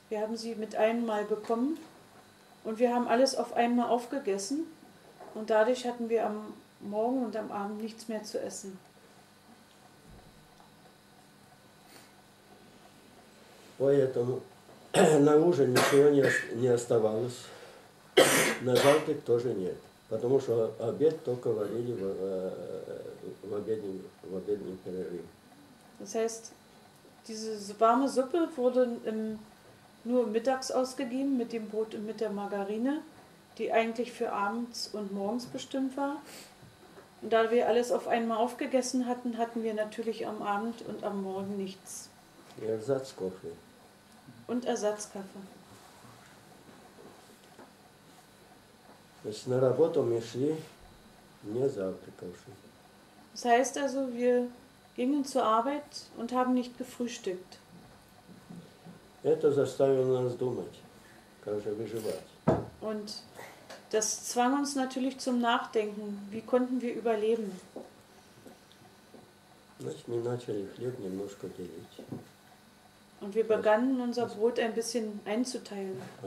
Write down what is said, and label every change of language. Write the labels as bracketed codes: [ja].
[de] Wir haben sie mit einem Mal bekommen und wir haben alles auf einmal aufgegessen und dadurch hatten wir am Morgen und am Abend nichts mehr zu essen. [ru] Поэтому на ужин ничего не оставалось, на завтрак тоже нет, потому что обед только варили в обеденный перерыв. [de] Das heißt, diese warme Suppe wurde nur mittags ausgegeben mit dem Brot und mit der Margarine, die eigentlich für abends und morgens bestimmt war. Und da wir alles auf einmal aufgegessen hatten, hatten wir natürlich am Abend und am Morgen nichts. Ersatzkaffee. Und Ersatzkaffee. [ru] На работу мы шли, не завтракавши. [de] Das heißt also, wir gingen zur Arbeit und haben nicht gefrühstückt. [ru] Это заставило нас думать, как же выживать. [de] Und das zwang uns natürlich zum Nachdenken, wie konnten wir überleben. [ru] Значит, мы начали хлеб немножко делить. [de] Und wir begannen, unser Brot ein bisschen einzuteilen.